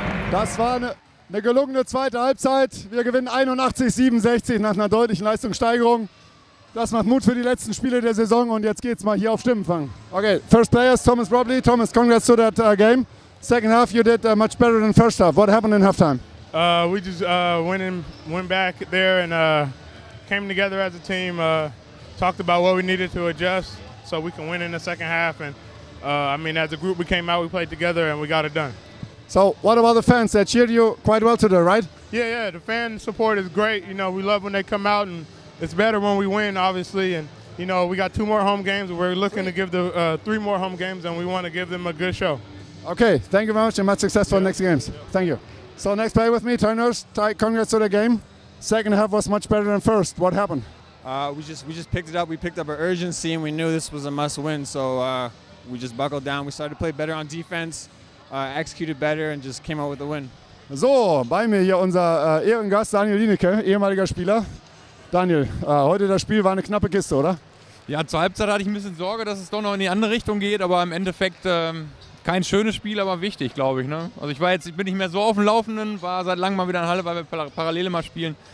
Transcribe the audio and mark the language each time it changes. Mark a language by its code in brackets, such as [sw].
[de] Das war eine gelungene zweite Halbzeit. Wir gewinnen 81-67 nach einer deutlichen Leistungssteigerung. Das macht Mut für die letzten Spiele der Saison und jetzt geht's mal hier auf Stimmenfang. [en] Okay, first player is Thomas Robley. Thomas, congrats to that game. Second half, you did much better than first half. What happened in halftime? We just went back there and came together as a team, talked about what we needed to adjust so we can win in the second half. And I mean, as a group, we came out, we played together, and we got it done. So what about the fans? They cheered you quite well today, right? Yeah, the fan support is great. You know, we love when they come out, and it's better when we win, obviously. And, you know, we got two more home games. We're looking to give the three more home games, and we want to give them a good show. Okay, thank you very much, and much success for the next games. Yeah. Thank you. So next play with me, Turners. Ty, congrats to the game. Second half was much better than first. What happened? We just picked it up. We picked up our urgency, and we knew this was a must win. So we just buckled down. We started to play better on defense, executed better, and just came out with the win. [de] So, bei mir hier unser Ehrengast Daniel Lienicke, ehemaliger Spieler. Daniel, heute das Spiel war eine knappe Kiste, oder? Ja, zur Halbzeit hatte ich ein bisschen Sorge, dass es doch noch in die andere Richtung geht, aber im Endeffekt kein schönes Spiel, aber wichtig, glaube ich. Ne? Also ich bin nicht mehr so auf dem Laufenden, war seit langem mal wieder in Halle, weil wir parallel mal spielen.